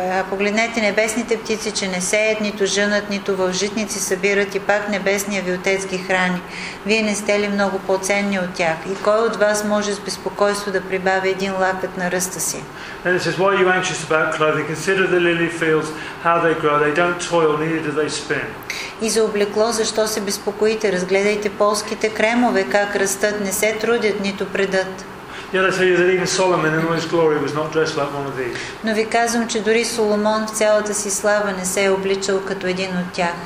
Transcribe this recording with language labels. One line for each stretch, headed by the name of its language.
Bulgarian: Погледнете небесните птици, че не сеят, нито жънат, нито в житници събират и пак небесния ви Отец ги храни. Вие не сте ли много по-ценни от тях? И кой от вас може с безпокойство да прибави един лапет на ръста си?
English: And it says, why are you anxious about clothing? Consider the lily fields, how they grow. They don't toil, neither do they spin.
Bulgarian: И за облекло, защо се безпокоите? Разгледайте полските кремове, как растат, не се трудят, нито предат.
English: Yeah, they tell you that even Solomon in all his glory was not dressed like one of these.
Bulgarian: Но ви казвам, че дори Соломон в цялата си слава не се е обличал като един от тях.